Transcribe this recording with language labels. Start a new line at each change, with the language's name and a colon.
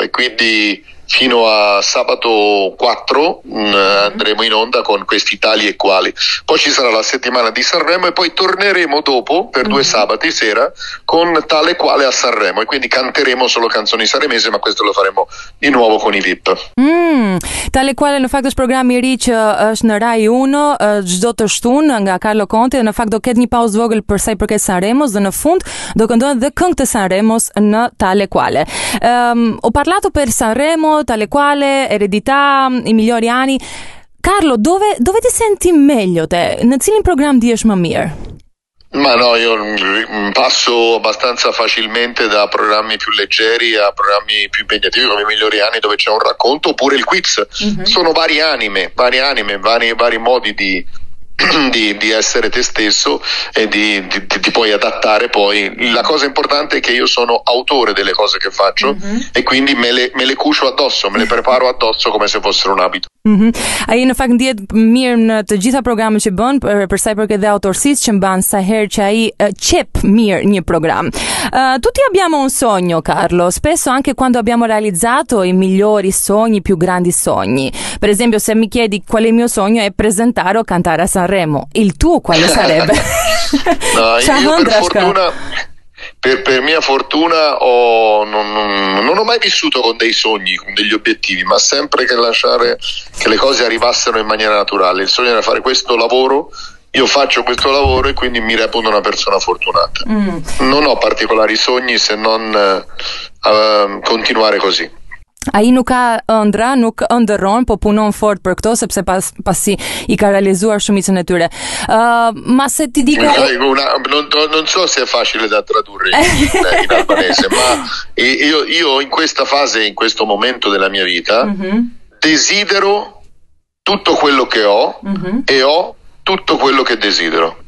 Italian: E quindi fino a sabato 4 andremo in onda con questi Tali e Quali. Poi ci sarà la settimana di Sanremo e poi torneremo dopo per due sabati sera con Tale e Quale a Sanremo. E quindi canteremo solo canzoni sanremese, ma questo lo faremo di nuovo con i VIP.
Albanian: Tale e Quale, në fakt është programi i ri që është në Rai 1 çdo të shtunë nga Carlo Conti. Në fakt do ketë një pauzë vogël për sa i përket Sanremos dhe në fund do këndojnë dhe këngë të Sanremos në Tale e Quale.
Italian: Ho parlato per Sanremo, Tale Quale, Eredità, I Migliori Anni. Carlo, dove ti senti meglio te?
Albanian: Në cilin program di esh më mirë?
Italian: Ma no, io passo abbastanza facilmente da programmi più leggeri a programmi più impegnativi come I Migliori Anni dove c'è un racconto oppure il quiz. Sono vari anime, vari modi di essere te stesso e ti puoi adattare poi. La cosa importante è che io sono autore delle cose che faccio e quindi me le cucio addosso, me le preparo addosso come se fossero un abito.
Albanian: Ai në fakt ndihet mirë në të gjitha programet që bën, për sa i përket dhe autorësisë që mban sa herë që ai qep mirë një program.
Italian: Tutti abbiamo un sogno, Carlo. Spesso anche quando abbiamo realizzato i migliori sogni, i più grandi sogni. Per esempio, se mi chiedi qual è il mio sogno, è presentare o cantare a Sanremo. Il tuo quale sarebbe? No, Ciao io Andrasca. per mia fortuna non ho mai vissuto con dei sogni, con degli obiettivi, ma sempre che lasciare che le cose arrivassero in maniera naturale. Il sogno era fare questo lavoro, io faccio questo lavoro e quindi mi reputo una persona fortunata. Non ho particolari sogni se non continuare così.
Albanian: Ai nuk ka ëndra, nuk ëndërron, po punon fort për këto, sepse pasi i ka realizuar shumicën e tyre.
Italian: Ma se ti dico Non so se è facile da tradurre in albanese, ma io in questa fase, in questo momento della mia vita, desidero tutto quello che ho e ho tutto quello che desidero.